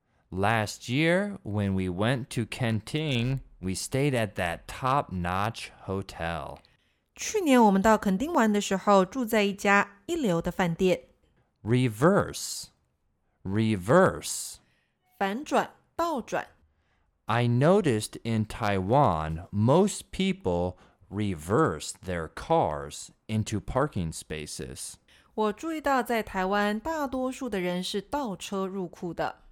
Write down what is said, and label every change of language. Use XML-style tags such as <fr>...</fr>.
<en>Last year, when we went to Kenting, we stayed at that top-notch hotel.</en> <zh>去年我们到垦丁玩的时候住在一家一流的饭店。</zh> <en>Reverse, reverse.</en> <zh>反转，倒转。</zh> <en>I noticed in Taiwan, most people reverse their cars into parking spaces.</en> <zh>我注意到在台湾大多数的人是倒车入库的。</zh>